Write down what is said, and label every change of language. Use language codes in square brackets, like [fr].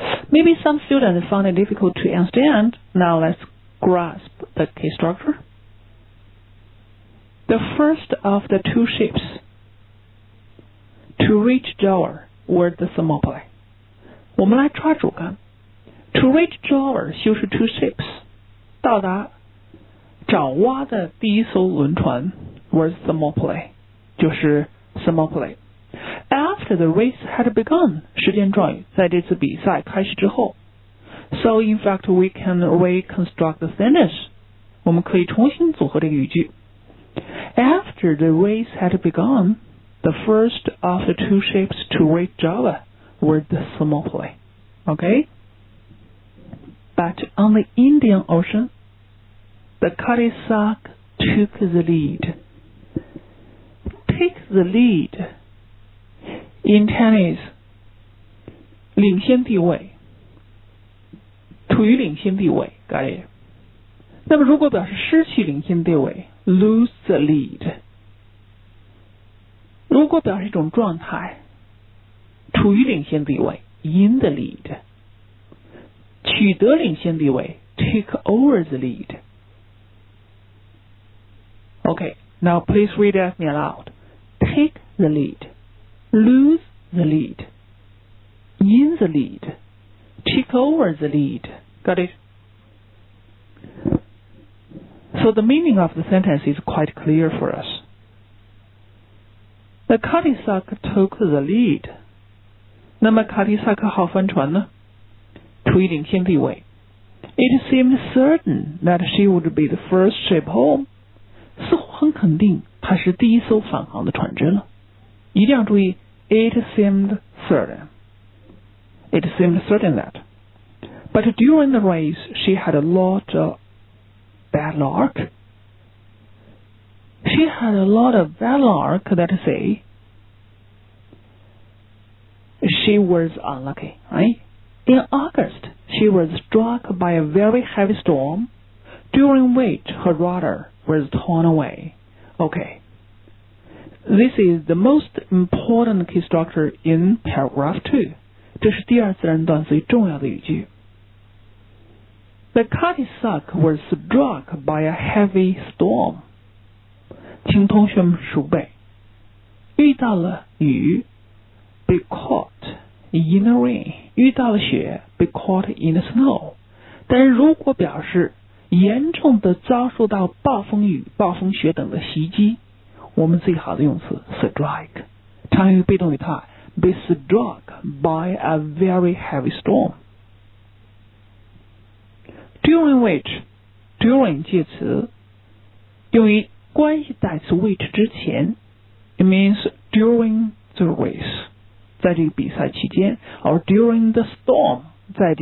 [en] Maybe some students found it difficult to understand. Now let's grasp the key structure. The first of the two ships to reach Java were the Thermopylae. [zh] 我们来抓住看。 [en] To reach Java [zh] 就是 [en] two ships. [zh] 到达爪哇的第一艘轮船 [en] was [zh] Thermopylae. 就是 Thermopylae. [en] After the race had begun, [zh] 时间状语在这次比赛开始之后。 [en] So in fact, we can reconstruct the sentence. [zh] 我们可以重新组合这个语句。 [en] After the race had begun, the first of the two ships to reach Java were the Thermopylae. Okay? But on the Indian Ocean, the Cuttisac took the lead. Take the lead. In tennis, [zh] 领先地位，处于领先地位 ， [en] got it. [zh] 那么如果表示失去领先地位 ， [en] lose the lead. [zh] 如果表示一种状态，处于领先地位 ， [en] in the lead. [zh] 取得领先地位 ， [en] take over the lead. Okay, now please read at me aloud. Take the lead. Lose. The lead, in the lead, take over the lead. Got it? So the meaning of the sentence is quite clear for us. The Cuttisac took the lead. [zh] 那么 Cuttisac 号帆船呢？处于领先地位。 [en] It seemed certain that she would be the first ship home. [zh] 似乎很肯定她是第一艘返航的船只了。一定要注意。 [en] It seemed certain that. But during the race, she had a lot of bad luck. She had a lot of bad luck, that is say. She was unlucky, right? In August, she was struck by a very heavy storm, during which her rudder was torn away. Okay. This is the most important key structure in paragraph 2. [zh] 这是第二自然段最重要的语句。 [en] The Cuttisac was struck by a heavy storm. [zh] 请同学们熟背。遇到了雨 [en] be caught in the rain. [zh] 遇到了雪 [en] be caught in the snow. [zh] 但如果表示严重的遭受到暴风雨、暴风雪等的袭击我们最好的用词 strike 常用于被动语态 [en] be struck by a very heavy storm during which during [zh] 介词用于关系代词 which 之前 ， [en] it means during the race， [zh] 在这个比赛期间，而 [en] during the storm， [zh] 在这